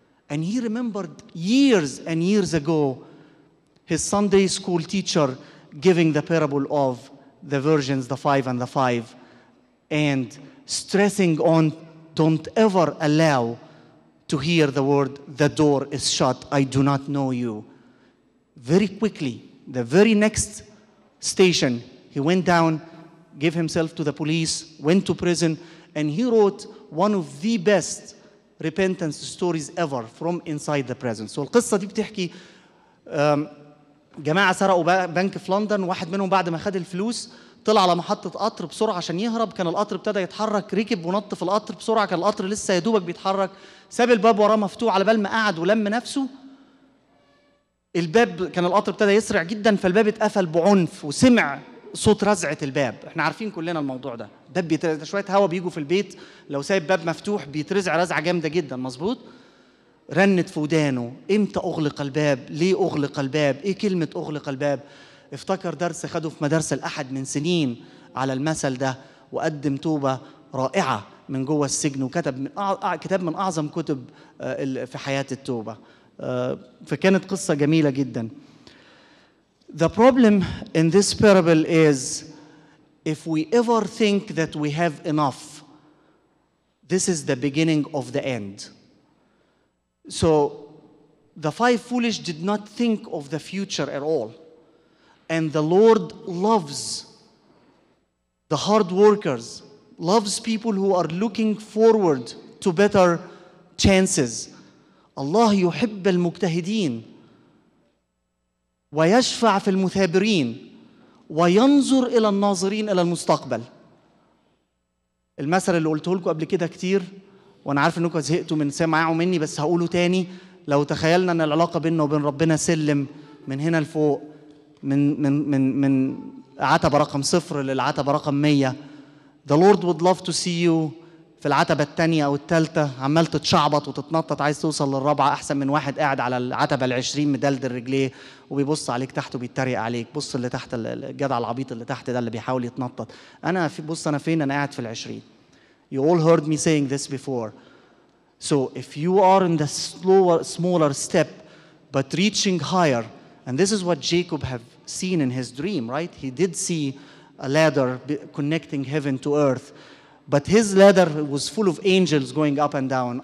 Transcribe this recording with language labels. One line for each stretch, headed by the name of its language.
English: And he remembered years and years ago, his Sunday school teacher giving the parable of the virgins, the five and the five, and stressing on, don't ever allow to hear the word, the door is shut, I do not know you. Very quickly, the very next station, he went down, gave himself to the police, went to prison, and he wrote one of the best repentance stories ever from inside the prison.
Arabic: So القصة دي بتحكي جماعة سرقوا بنك في لندن, واحد منهم بعد ما خد الفلوس طلع على محطة قطر بسرعة عشان يهرب, كان القطر ابتدى يتحرك, ركب ونط في القطر بسرعة, كان القطر لسه يدوبك بيتحرك, ساب الباب وراه مفتوح على بال ما قعد ولم نفسه, الباب كان القطر ابتدى يسرع جدا فالباب اتقفل بعنف وسمع صوت رزعة الباب. احنا عارفين كلنا الموضوع ده, باب بيترزع شوية هوا بيجوا في البيت لو سايب باب مفتوح بيترزع رزعة جامدة جدا, مظبوط؟ رنت في ودانه, امتى اغلق الباب؟ ليه اغلق الباب؟ ايه كلمة اغلق الباب؟ افتكر درس خده في مدرسة الاحد من سنين على المثل ده, وقدم توبة رائعة من جوه السجن, وكتب من كتاب من اعظم كتب في حياة التوبة. فكانت قصة جميلة جدا.
English: The problem in this parable is if we ever think that we have enough, this is the beginning of the end. So the five foolish did not think of the future at all. And the Lord loves the hard workers, loves people who are looking forward to better chances.
Arabic: Allah يحب المجتهدين ويشفع في المثابرين وينظر إلى الناظرين إلى المستقبل. المثل اللي قلته لكم قبل كده كتير وأنا عارف أنكم زهقتوا من سمعه مني, بس هقوله تاني. لو تخيلنا أن العلاقة بيننا وبين ربنا سلم من هنا لفوق, من من من من عتبة رقم صفر للعتبة رقم 100,
English: The Lord would love to see you
Arabic: في العتبة التانية أو التالتة, عمال تتشعبط وتتنطط عايز توصل للرابعة, أحسن من واحد قاعد على العتبة العشرين مدلدل رجليه وبيبص عليك تحت وبيتريق عليك, بص اللي تحت الجدع العبيط اللي تحت ده اللي بيحاول يتنطط, أنا في بص أنا فين, أنا قاعد في العشرين.
English: You all heard me saying this before. So if you are in the slower, smaller step but reaching higher, and this is what Jacob have seen in his dream, right? He did see a ladder connecting heaven to earth, but his ladder was full of angels going up and down.